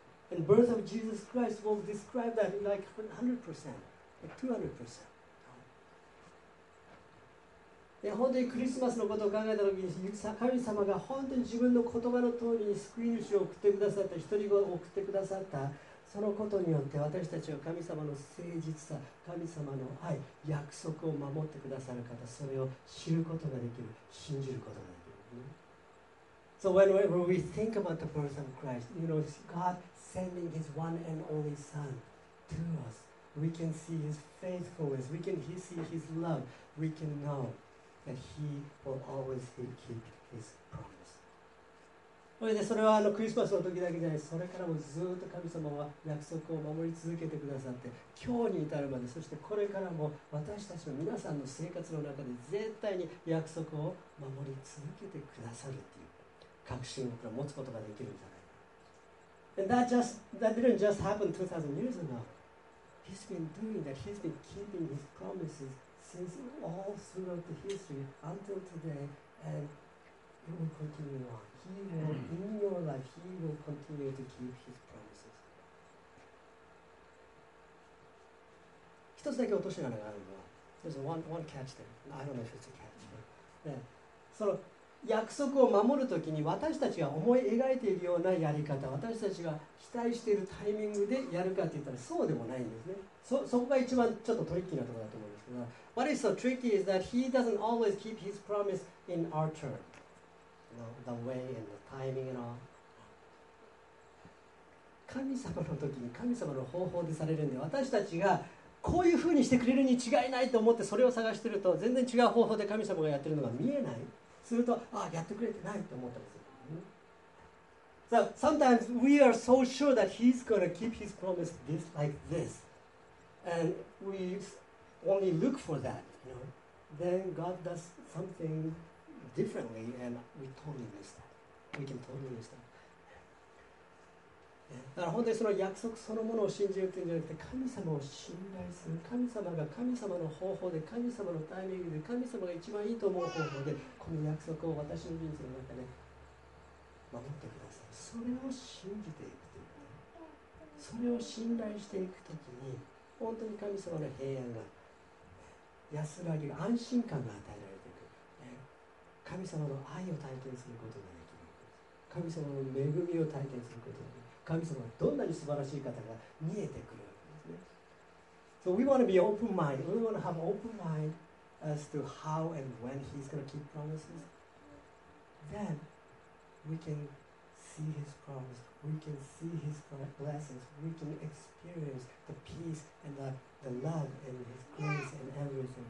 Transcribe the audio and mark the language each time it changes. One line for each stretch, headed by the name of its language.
English: And birth of Jesus Christ will describe that in like 100%, like 200%.
Japanese: で、本当にクリスマスのことを考えたときに、神様が本当に自分の言葉の通りに救い主を送ってくださった、一人子を送ってくださった、そのことによって私たちは神様の誠実さ、神様の愛、約束を守ってくださる方、それを知ることができる、信じることができる。
English: So whenever we think about the birth of Christ, you know, God sending His one and only Son to us, we can see His faithfulness, we can see His love, we can know that He will always keep His promise.
Japanese: それはあのクリスマスの時だけじゃない、それからもずっと神様は約束を守り続けてくださって、今日に至るまで、そしてこれからも私たちの皆さんの生活の中で絶対に約束を守り続けてくださるっていう。確信を持つことができるんじゃないか。
English: And that didn't just happen 2,000 years ago. He's been doing that. He's been keeping his promises since all throughout the history until today, and it will continue on. He will, in your life, he will continue to keep his promises.
Japanese: 一つだけ落とし穴があるのは、
English: There's one catch there. I don't know if it's a catch.
Japanese: その約束を守るときに私たちが思い描いているようなやり方、私たちが期待しているタイミングでやるかといったらそうでもないんですね。そこが一番ちょっとトリッキーなところだと思うんですけど、
English: What is so tricky is that he doesn't always keep his promise in our turn, you know, the way and the timing and all.
Japanese: 神様のときに神様の方法でされるんで、私たちがこういうふうにしてくれるに違いないと思ってそれを探していると、全然違う方法で神様がやっているのが見えない、すると、ああ、やってくれてないと思ったんですよ。
English: So, sometimes we are so sure that he's going to keep his promise this, like this. And we only look for that. You know? Then God does something differently and we totally miss that. We can totally miss that.
Japanese: だから本当にその約束そのものを信じるというんじゃなくて、神様を信頼する、神様が神様の方法で、神様のタイミングで、神様が一番いいと思う方法でこの約束を私の人生の中で守ってください、それを信じていくというか、それを信頼していくときに本当に神様の平安が、安らぎが、安心感が与えられていく、神様の愛を体験することができる、神様の恵みを体験することができる、神様がどんなに素晴らしい方が見えてくるんですね。
English: So we want to be open-minded. We want to have open-mind as to how and when he's going to keep promises. Then we can see his promise. We can see his blessings. We can experience the peace and the love and his grace and everything.